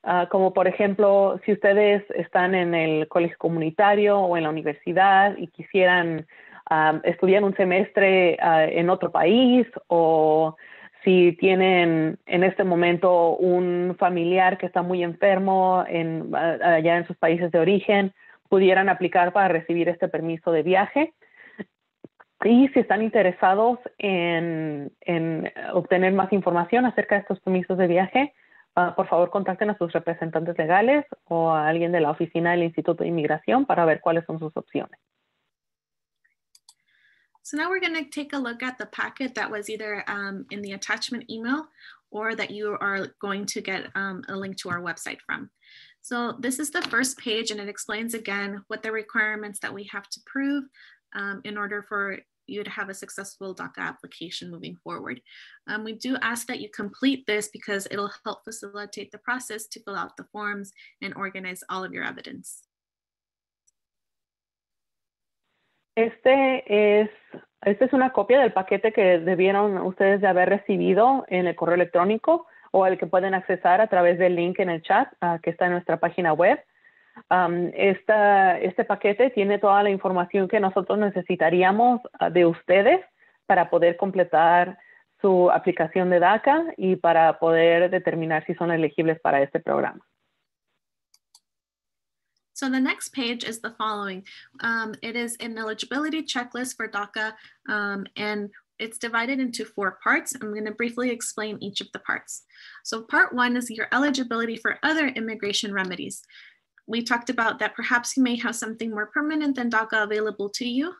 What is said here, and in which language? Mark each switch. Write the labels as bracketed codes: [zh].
[es] Como por ejemplo, si ustedes están en el colegio comunitario o en la universidad y quisieran estudiar un semestre en otro país, o si tienen en este momento un familiar que está muy enfermo en, allá en sus países de origen, pudieran aplicar para recibir este permiso de viaje. Y si están interesados en obtener más información acerca de estos permisos de viaje, por favor, contacten a sus representantes legales o a alguien de la oficina del Instituto de Inmigración para ver cuáles son sus opciones. [en] So now we're going to take a look at the packet that was either in the attachment email or that you are going to get a link to our website from. So this is the first page and it explains again what the requirements that we have to prove in order for you to have a successful DACA application moving forward. We do ask that you complete this because it'll help facilitate the process to fill out the forms and organize all of your evidence. [es] Este es una copia del paquete que debieron ustedes de haber recibido en el correo electrónico o el que pueden accesar a través del link en el chat que está en nuestra página web. Este paquete tiene toda la información que nosotros necesitaríamos de ustedes para poder completar su aplicación de DACA y para poder determinar si son elegibles para este programa. [en] So the next page is the following. It is an eligibility checklist for DACA and it's divided into four parts. I'm going to briefly explain each of the parts. So part one is your eligibility for other immigration remedies. We talked about that perhaps you may have something more permanent than DACA available to you.